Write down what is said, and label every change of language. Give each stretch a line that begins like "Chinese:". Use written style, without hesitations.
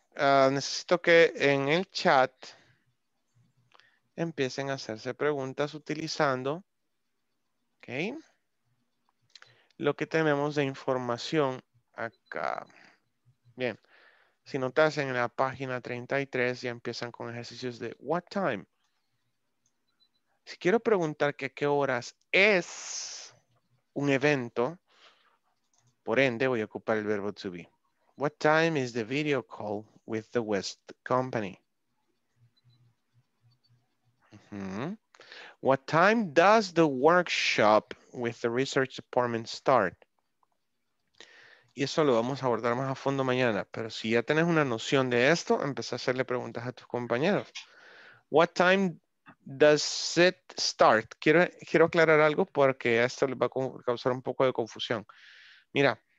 Spanish: Necesito que en el chat empiecen a hacerse preguntas utilizando, okay, lo que tenemos de información acá. Bien, si notas en la página 33 ya empiezan con ejercicios de what time. Si quiero preguntar que a qué horas es un evento, por ende voy a ocupar el verbo to be.
English: What time is the video call with the West Company? What time does the workshop with the research department start?
Spanish: Y eso lo vamos a abordar más a fondo mañana. Pero si ya tienes una noción de esto, empieza a hacerle preguntas a tus compañeros.
English: What time does it start?
Spanish: Quiero aclarar algo porque esto les va a causar un poco de confusión. Mira.